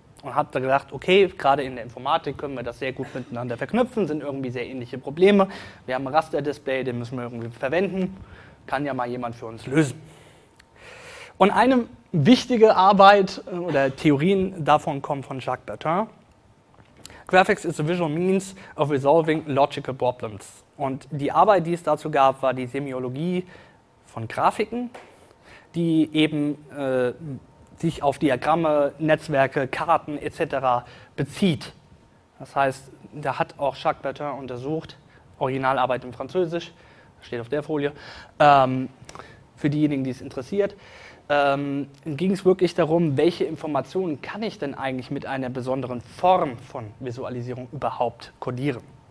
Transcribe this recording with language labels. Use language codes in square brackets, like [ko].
[de] Und hat da gedacht, okay, gerade in der Informatik können wir das sehr gut miteinander verknüpfen, sind irgendwie sehr ähnliche Probleme. Wir haben ein Rasterdisplay, den müssen wir irgendwie verwenden. Kann ja mal jemand für uns lösen. Und eine wichtige Arbeit oder Theorien davon kommen von Jacques Bertin. [en] Graphics is a visual means of resolving logical problems. [de] Und die Arbeit, die es dazu gab, war die Semiologie von Grafiken, die eben sich auf Diagramme, Netzwerke, Karten etc. bezieht. Das heißt, da hat auch Jacques Bertin untersucht, Originalarbeit in Französisch, steht auf der Folie, für diejenigen, die es interessiert, ging es wirklich darum, welche Informationen kann ich denn eigentlich mit einer besonderen Form von Visualisierung überhaupt kodieren.